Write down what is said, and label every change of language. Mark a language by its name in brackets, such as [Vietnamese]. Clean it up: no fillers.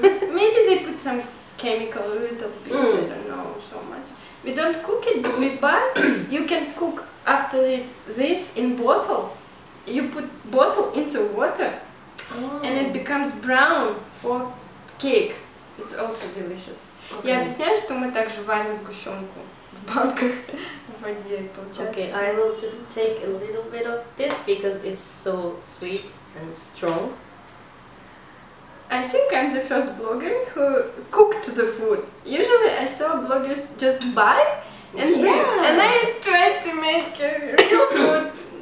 [English] Maybe they put some chemical, a little bit, I don't know so much. We don't cook it, but we buy. You can cook after this in bottle. You put bottle into water and it becomes brown for cake. It's also delicious. Okay. [Russian] Я объясняю, что мы также варим сгущенку в банках в воде и получается. [English] Okay, I will just take a little bit of this because it's so sweet and strong. I think I'm the first blogger who cooked the food. Usually I saw bloggers just buy and bring, and I tried to make a real food.